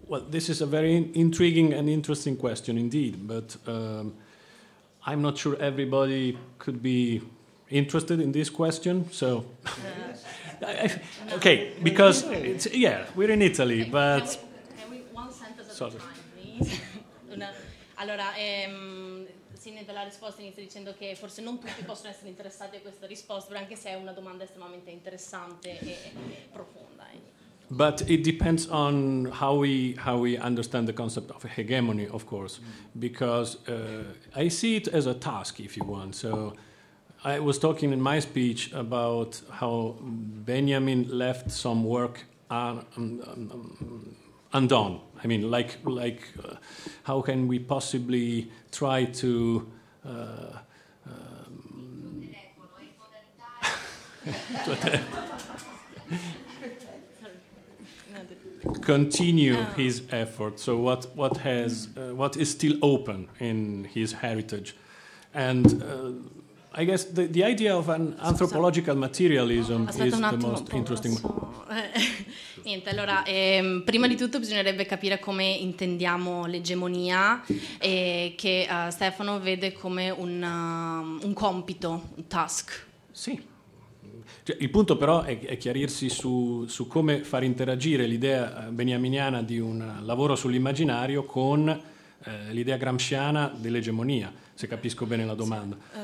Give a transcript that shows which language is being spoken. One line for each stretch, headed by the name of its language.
English: This is a very intriguing and interesting question indeed, but I'm not sure everybody could be interested in this question. So, okay, because we're in Italy, okay, but... Can we one sentence at a time, please?
Italian: Allora, della risposta inizia dicendo che forse non tutti possono essere interessati a questa risposta, però anche se è una domanda estremamente interessante e profonda.
English: But it depends on how we understand the concept of hegemony, of course, because I see it as a task, if you want. So I was talking in my speech about how Benjamin left some work undone. I mean, how can we possibly try to... continue his effort. So what is still open in his heritage? And I guess the idea of an anthropological materialism is the most interesting one.
Italian: Niente, allora, prima di tutto bisognerebbe capire come intendiamo l'egemonia, che Stefano vede come un compito, un task. Sì, cioè, il punto però è chiarirsi su come far interagire l'idea beniaminiana di un lavoro sull'immaginario con l'idea gramsciana dell'egemonia, se capisco bene la domanda.